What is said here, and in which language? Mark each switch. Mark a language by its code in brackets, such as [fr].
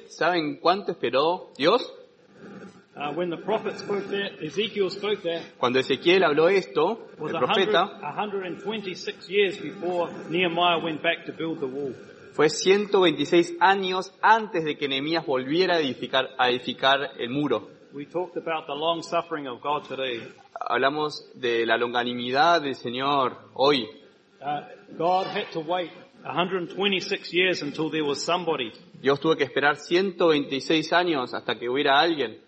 [es] ¿Saben cuánto esperó Dios? [en] When the prophet spoke there, Ezekiel spoke there, [es] cuando Ezequiel habló esto, [en] was [es] el profeta, [en] 126 years before Nehemiah went back to build the wall. [es] Fue 126 años antes de que Nehemías volviera a edificar el muro. [en] We talked about the long suffering of God today. [es] Hablamos de la longanimidad del Señor hoy. [en] God had to wait 126 years until there was somebody. [es] Dios tuvo que esperar 126 años hasta que hubiera alguien